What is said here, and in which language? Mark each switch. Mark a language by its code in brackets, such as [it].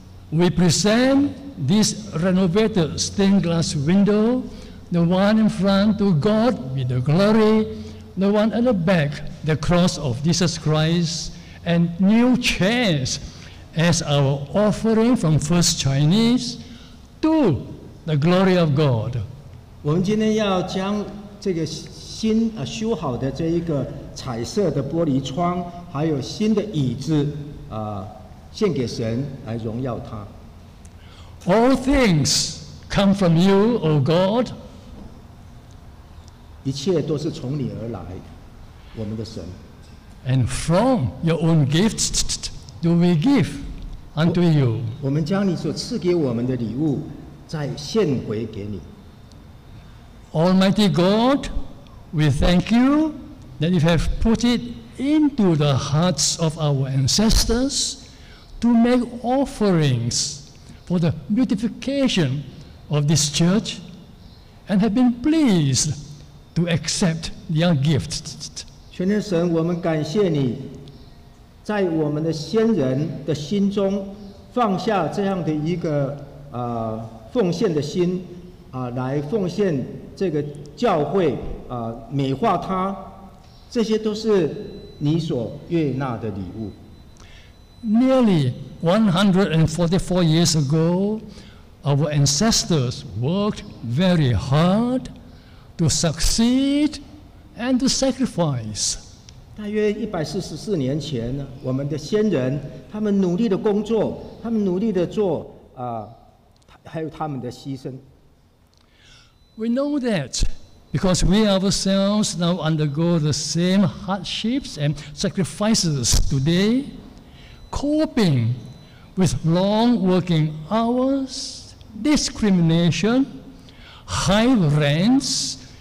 [en] We present this renovated stained glass window. The one in front to God with the glory, the one at the back, the cross of Jesus Christ, and new chairs as our offering from First Chinese to the glory of God. [zh] 我们今天要将这个新修好的这一个彩色的玻璃窗，还有新的椅子献给神来荣耀他。 [en] All things come from you, O God. [zh] 一切都是从你而来，我们的神。 [en] And from your own gifts do we give unto you？ [zh] 我们将你所赐给我们的礼物再献回给你。 [en] Almighty God, we thank you that you have put it into the hearts of our ancestors to make offerings for the beautification of this church, and have been pleased. To accept your gift. [zh] 全天神，我们感谢你，在我们的先人的心中放下这样的一个奉献的心来奉献这个教会美化它，这些都是你所悦纳的礼物。 [en] Nearly 144 years ago, our ancestors worked very hard. To succeed and to sacrifice. [zh] 大约144年前，我们的先人，他们努力的工作，他们努力的做还有他们的牺牲。 [en] We know that because we ourselves now undergo the same hardships and sacrifices today, coping with long working hours, discrimination, high rents.